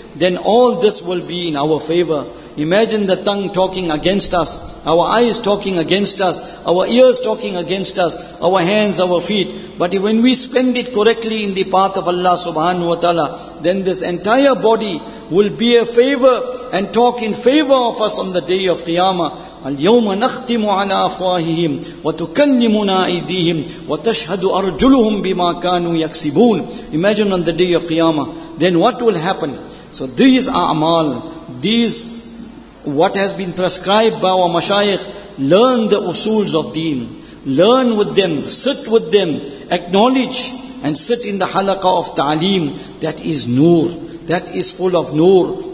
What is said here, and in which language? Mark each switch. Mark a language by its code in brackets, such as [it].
[en] then all this will be in our favor. Imagine the tongue talking against us, our eyes talking against us, our ears talking against us, our hands, our feet. But when we spend it correctly in the path of Allah [ar] subhanahu wa ta'ala, [en] then this entire body will be a favor and talk in favor of us on the day of Qiyamah. [ar] اليوم نختم على أفواههم وتكلمنا أيديهم وتشهد أرجلهم بما كانوا يكسبون. [en] Imagine on the day of Qiyamah, then what will happen? So these a'mal, these what has been prescribed by our mashayikh, learn the usools of deen, learn with them, sit with them, acknowledge and sit in the halaqa of ta'aleem. That is noor, that is full of noor.